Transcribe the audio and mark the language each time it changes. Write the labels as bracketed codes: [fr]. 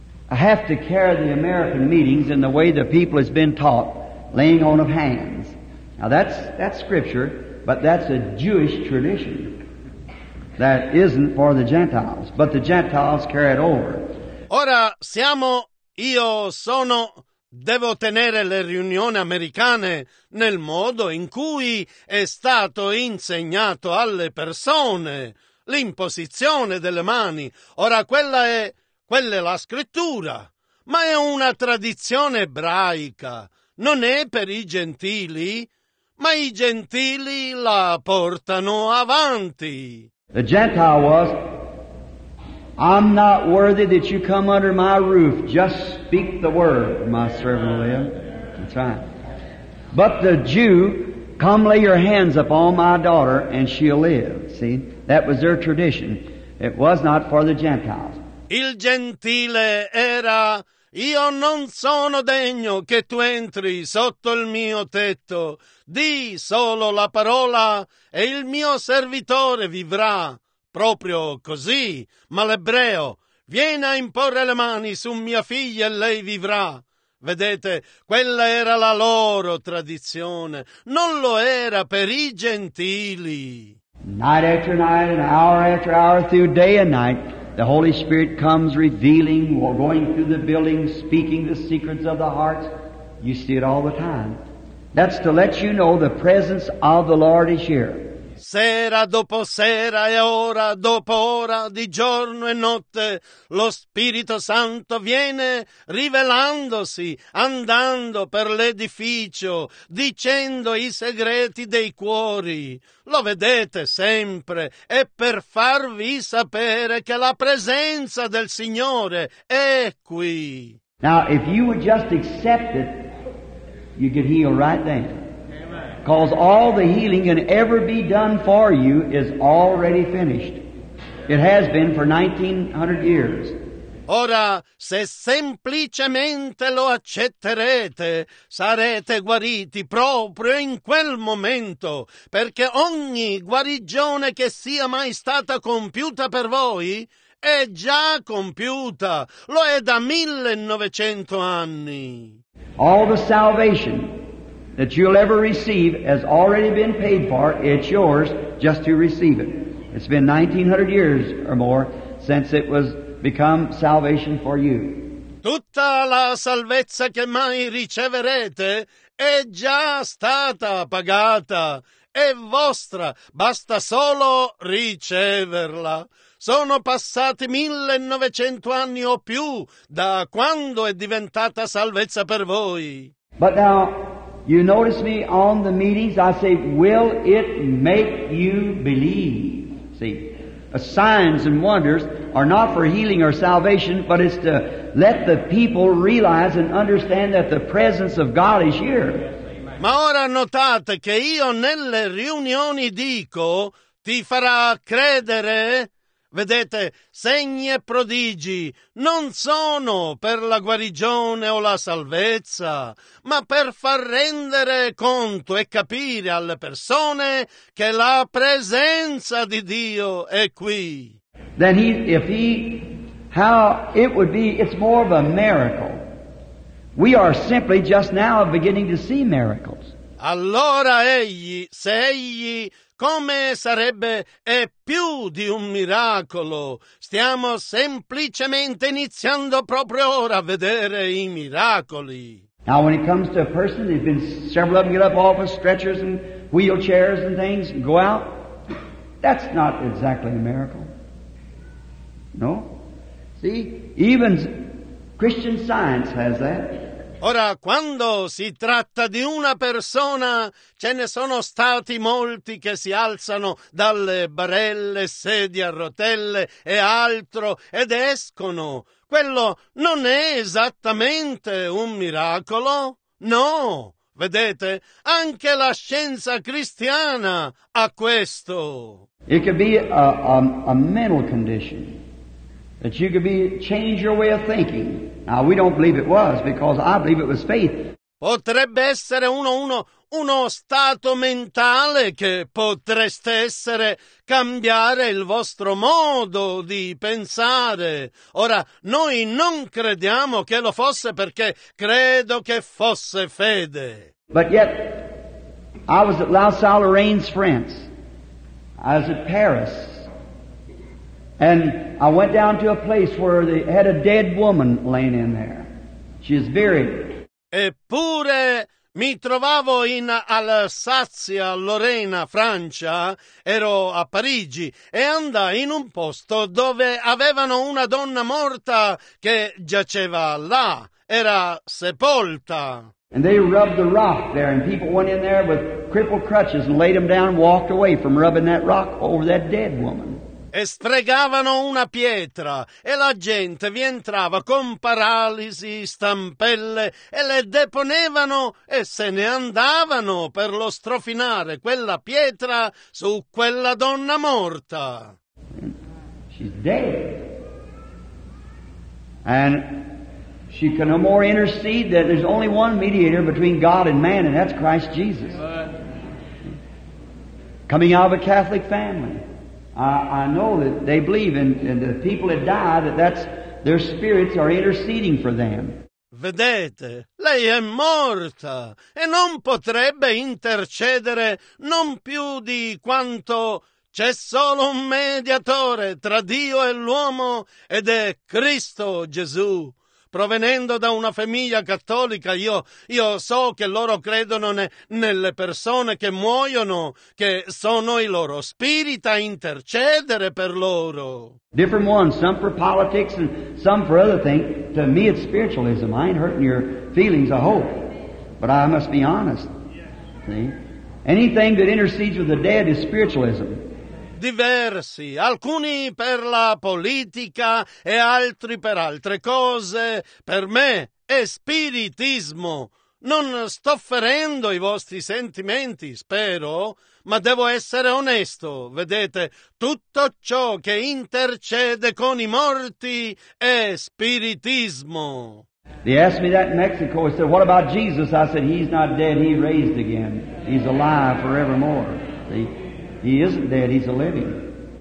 [en] I have to carry the American meetings in the way the people has been taught, laying on of hands. Now that's scripture, but that's a Jewish tradition that isn't for the Gentiles, but the Gentiles carry it over. [it] Ora siamo, io sono, devo tenere le riunioni americane nel modo in cui è stato insegnato alle persone, l'imposizione delle mani. Ora quella è la scrittura, ma è una tradizione ebraica, non è per i gentili, ma i gentili la portano avanti. [en] The Gentile was, I'm not worthy that you come under my roof, just speak the word, my servant will live. That's right. But the Jew, come lay your hands upon my daughter and she'll live. See, that was their tradition. It was not for the Gentiles. [it] Il gentile era, io non sono degno che tu entri sotto il mio tetto, di solo la parola e il mio servitore vivrà, proprio così, ma l'ebreo Vieni a imporre le mani su mia figlia e lei vivrà. Vedete, quella era la loro tradizione, non lo era per i gentili. [en] Night after night, and hour after hour, through day and night, the Holy Spirit comes revealing, or going through the building, speaking the secrets of the hearts. You see it all the time. That's to let you know the presence of the Lord is here. [it] Sera dopo sera e ora dopo ora, di giorno e notte, lo Spirito Santo viene rivelandosi, andando per l'edificio, dicendo i segreti dei cuori. Lo vedete sempre, è per farvi sapere che la presenza del Signore è qui. [en] Now, if you would just accept it, you could heal right then. Because all the healing can ever be done for you is already finished. It has been for 1900 years. [it] Ora, se semplicemente lo accetterete, sarete guariti proprio in quel momento, perché ogni guarigione che sia mai stata compiuta per voi è già compiuta. Lo è da 1900 anni. [en] All the salvation that you'll ever receive has already been paid for. It's yours just to receive it. It's been 1900 years or more since it was become salvation for you. [it] Tutta la salvezza che mai riceverete è già stata pagata. È vostra. Basta solo riceverla. Sono passati 1900 anni o più da quando è diventata salvezza per voi. [en] But now, you notice me on the meetings, I say, will it make you believe? See, signs and wonders are not for healing or salvation, but it's to let the people realize and understand that the presence of God is here. [it] Ma ora notate che io nelle riunioni dico, ti farà credere? Vedete, segni e prodigi non sono per la guarigione o la salvezza, ma per far rendere conto e capire alle persone che la presenza di Dio è qui. [en] Then he, if he, how it would be, it's more of a miracle. We are simply just now beginning to see miracles. [it] Allora egli, se egli, come sarebbe, è più di un miracolo. Stiamo semplicemente iniziando proprio ora a vedere i miracoli. [en] Now when it comes to a person, there have been several of them get up off of stretchers and wheelchairs and things and go out. That's not exactly a miracle. No? See, even Christian Science has that. [it] Ora, quando si tratta di una persona, ce ne sono stati molti che si alzano dalle barelle, sedie a rotelle e altro ed escono. Quello non è esattamente un miracolo? No, vedete, anche la scienza cristiana ha questo. [en] It could be a mental condition, that you could be change your way of thinking. Now, we don't believe it was, because I believe it was faith. [it] Potrebbe essere uno stato mentale che potreste essere cambiare il vostro modo di pensare. Ora, noi non crediamo che lo fosse perché credo che fosse fede. [en] But yet, I was at La Salle Reine's France. I was at Paris. And I went down to a place where they had a dead woman laying in there. She is buried. [it] Eppure mi trovavo in Alsazia, Lorena, Francia. Ero a Parigi e andai in un posto dove avevano una donna morta che giaceva là. Era sepolta. [en] And they rubbed the rock there, and people went in there with crippled crutches and laid them down and walked away from rubbing that rock over that dead woman. [it] E sfregavano una pietra e la gente vi entrava con paralisi, stampelle e le deponevano e se ne andavano per lo strofinare quella pietra su quella donna morta. [en] She's dead. And she can no more intercede that there's only one mediator between God and man, and that's Christ Jesus. Coming out of a Catholic family. I know that they believe in the people that die, that's Their spirits are interceding for them. [it] Vedete, lei è morta e non potrebbe intercedere non più di quanto c'è solo un mediatore tra Dio e l'uomo ed è Cristo Gesù. Provenendo da una famiglia cattolica, io so che loro credono nelle persone che muoiono, che sono i loro spiriti a intercedere per loro. [en] Different ones, some for politics and some for other things. To me it's spiritualism. I ain't hurting your feelings, I hope. But I must be honest. See? Anything that intercedes with the dead is spiritualism. [it] Diversi, alcuni per la politica e altri per altre cose. Per me è spiritismo. Non sto ferendo i vostri sentimenti, spero, ma devo essere onesto. Vedete, tutto ciò che intercede con i morti è spiritismo. [en] They asked me that in Mexico. I said, what about Jesus? I said, he's not dead, he raised again. He's alive forevermore. See? He isn't dead, he's a living.